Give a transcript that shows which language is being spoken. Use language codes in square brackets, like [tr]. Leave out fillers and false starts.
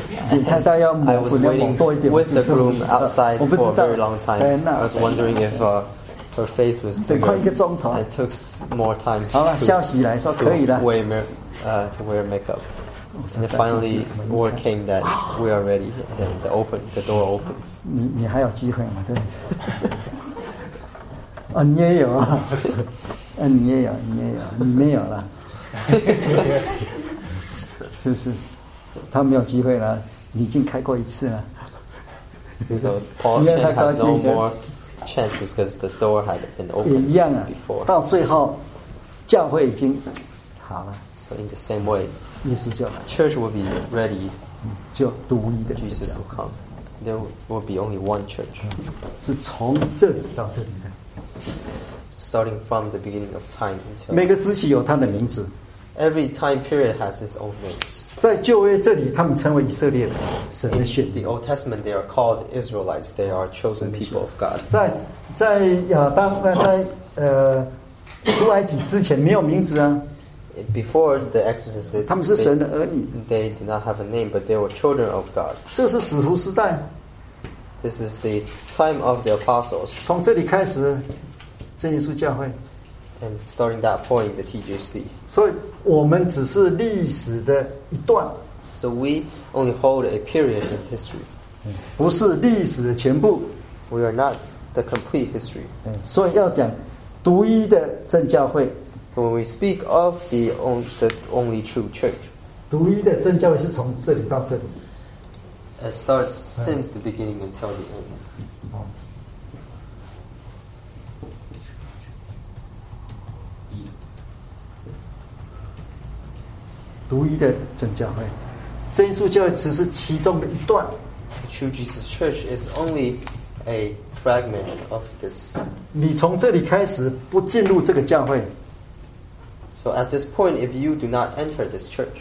[zh] 脸太大要抹，不能抹多一点。 [en] I was waiting with the groom outside for a very long time. I was wondering if her face was bigger. [zh] 得快一个钟头。 [en] It took more time. [zh] 好了，消息来说可以了。 [en] To wear makeup. And finally, word came that we are ready, and the door opens. [zh] 你还有机会吗？对。啊，你也有啊！啊，你也有，你也有，你没有了。是不是？他没有机会了。你已经开过一次了。 [en] So Paul Chen has no more chances because the door had been opened before. [zh] 到最后，教会已经好了。 [en] So in the same way. [zh] 耶稣教 [en] Church will be ready. [zh] 就独一的 [en] Jesus will come. There will be only one church. [zh] 是从这里到这里的 [en] Starting from the beginning of time until [zh] 每个时期有他的名字 [en] Every time period has its own name. [zh] 在旧约这里，他们称为以色列人，神的选民。 [en] The Old Testament they are called Israelites. They are chosen people of God. [zh] 在亚当在出埃及之前没有名字啊。 [en] Before the Exodus, they, [zh] 他们是神的儿女。 [en] They did not have a name, but they were children of God. [zh] 这是使徒时代。 [en] This is the time of the apostles. [zh] 从这里开始，真耶稣教会。 [en] And starting that point, the TJC. [zh] 所以我们只是历史的一段。 [en] So we only hold a period in history. [zh] 不是历史的全部。 [en] We are not the complete history. [zh] 所以要讲独一的正教会。 [en] When we speak of the only true church, [zh] 独一的正教会是从这里到这里。 [en] It starts since the beginning until the end. [zh] 独一的正教会，真耶稣教会只是其中的一段。 [en] The true Jesus Church is only a fragment of this. [zh] 你从这里开始不进入这个教会。 [en] So at this point, if you do not enter this church,